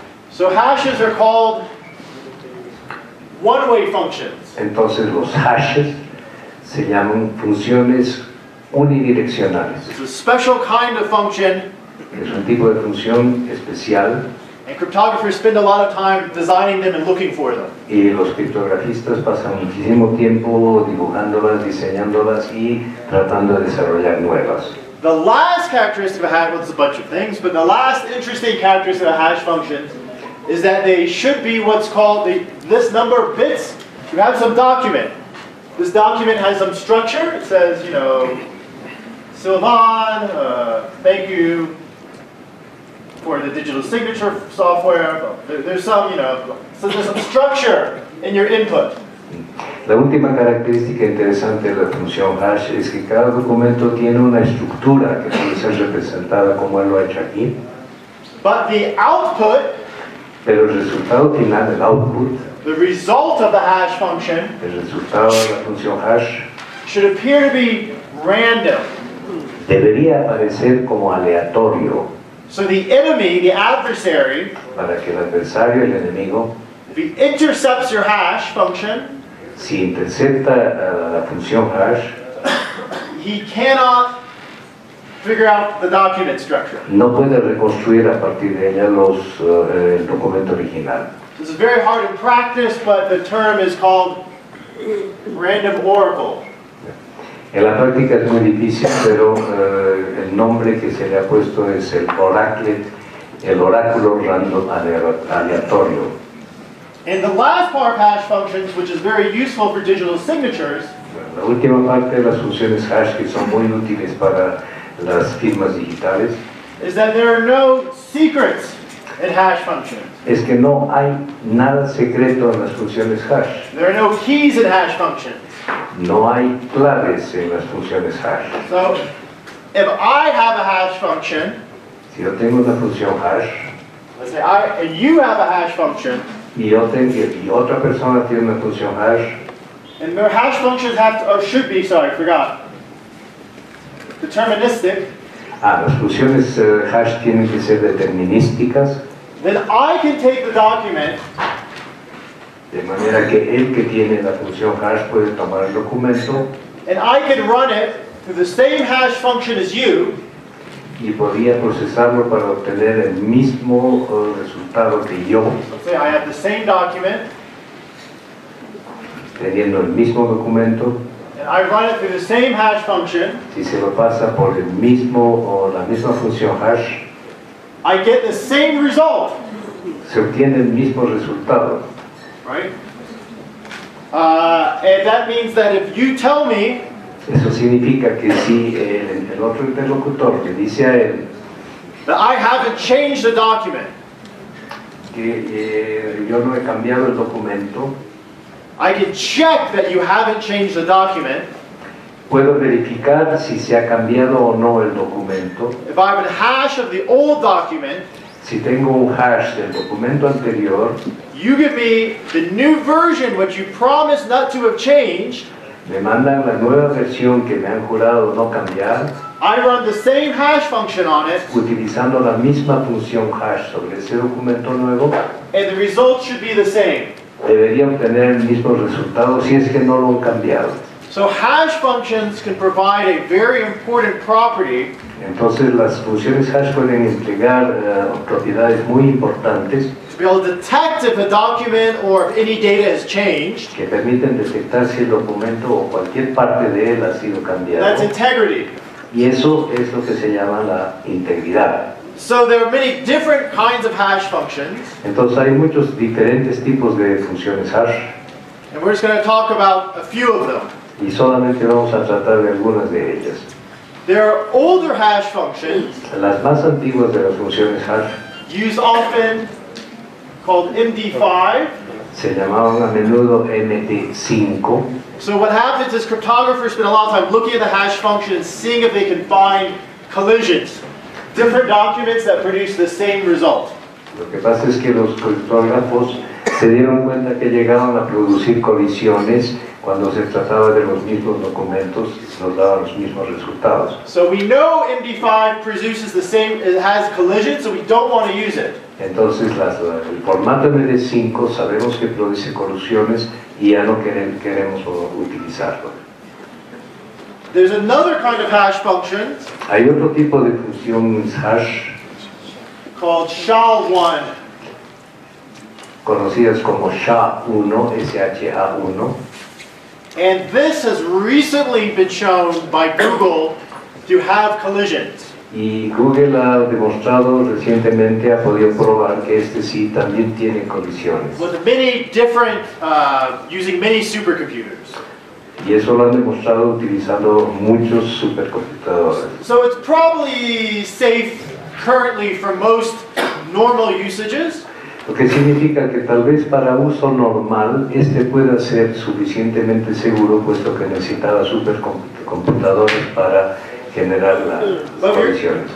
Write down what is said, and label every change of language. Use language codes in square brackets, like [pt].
[en] So hashes are called one-way functions. [es] Entonces los hashes se llaman funciones unidireccionales. [en] It's a special kind of function. [es] Es un tipo de función especial. [en] And cryptographers spend a lot of time designing them and looking for them. [es] Y los criptografistas pasan muchísimo tiempo dibujándolas, diseñándolas y tratando de desarrollar nuevas. [en] The last characteristic of a hash, well, it's a bunch of things, but the last interesting characteristic of a hash function is that they should be what's called this number of bits. You have some document. This document has some structure. It says, you know, Sylvan, thank you for the digital signature software. There's some, you know, so there's some structure in your input. [es] La última característica interesante de la función hash es que cada documento tiene una estructura que puede ser representada como él lo ha hecho aquí. [en] But the output, [es] pero el resultado final, el output, [en] the result of the hash function, [es] el resultado de la función hash, [en] should appear to be random. [es] Debería aparecer como aleatorio. [en] So the enemy, the adversary, [es] para que el adversario, el enemigo, [en] if he intercepts your hash function, [es] si intercepta la función hash, [en] he cannot figure out the document structure. [es] No puede reconstruir a partir de ella el documento original. [en] This is very hard in practice, but the term is called random oracle. [es] En la práctica es muy difícil, pero el nombre que se le ha puesto es el oráculo random aleatorio. [en] And the last part of hash functions, which is very useful for digital signatures, [es] la última parte de las funciones hash que son muy útiles para las firmas digitales, [en] is that there are no secrets in hash functions. [es] Es que no hay nada secreto en las funciones hash. [en] There are no keys in hash functions. [es] No hay claves en las funciones hash. [en] So, if I have a hash function, [es] si yo tengo una función hash, [en] let's say and you have a hash function, [es] y otra persona tiene una función hash, [en] and their hash functions should be deterministic. [es] Las funciones hash tienen que ser determinísticas. [en] Then I can take the document. [es] De manera que el que tiene la función hash puede tomar el documento. [en] And I can run it through the same hash function as you. [es] Y podría procesarlo para obtener el mismo resultado que yo. [en] Let's say I have the same document. [es] Teniendo el mismo documento. [en] And I run it through the same hash function. [es] Si se lo pasa por el mismo o la misma función hash, [en] I get the same result. [es] Se obtiene el mismo resultado. [en] Right? And that means that if you tell me, [es] eso significa que si el otro interlocutor que dice a él, [en] that I haven't changed the document, [es] que yo no he cambiado el documento, [en] I can check that you haven't changed the document. [es] Puedo verificar si se ha cambiado o no el documento. [en] If I have a hash of the old document, [es] si tengo un hash del documento anterior, [en] you give me the new version which you promised not to have changed. [es] Me mandan la nueva versión que me han jurado no cambiar. [en] I run the same hash function on it. [es] Utilizando la misma función hash sobre ese documento nuevo. [en] And the results should be the same. [es] Debería obtener el mismo resultado si es que no lo han cambiado. [en] So hash functions can provide a very important property. [es] Entonces las funciones hash pueden entregar propiedades muy importantes. [en] To be able to detect if a document or if any data has changed. [es] Que permiten detectar si el documento o cualquier parte de él ha sido cambiado. [en] That's integrity. [es] Y eso es lo que se llama la integridad. [en] So there are many different kinds of hash functions. [es] Entonces hay muchos diferentes tipos de funciones hash. [en] And we're just going to talk about a few of them. [es] Y solamente vamos a tratar de algunas de ellas. [en] There are older hash functions. [es] Las más antiguas de las funciones hash. [en] Used often called MD5. [es] Se llamaban a menudo MD5. [en] So what happens is cryptographers spend a lot of time looking at the hash function and seeing if they can find collisions, different documents that produce the same result. [es] Lo que pasa es que los criptógrafos se dieron cuenta que llegaban a producir colisiones cuando se trataba de los mismos documentos y nos daban los mismos resultados. [en] So we know MD5 produces the same, it has collisions, so we don't want to use it. [es] Entonces, el formato MD5 sabemos que produce colisiones y ya no queremos utilizarlo. [en] There's another kind of hash function. [es] Hay otro tipo de función hash. [en] Called SHA-1. [es] Conocidas como SHA-1, SHA-1. [en] And this has recently been shown by Google to have collisions. [es] Y Google ha demostrado recientemente, ha podido probar que este sí también tiene colisiones. [en] With many different, using many supercomputers. [es] Y eso lo han demostrado utilizando muchos supercomputadores. [en] So it's probably safe currently for most normal usages. [es] Lo que significa que tal vez para uso normal este pueda ser suficientemente seguro, puesto que necesitaba supercomputadores para generar las colisiones.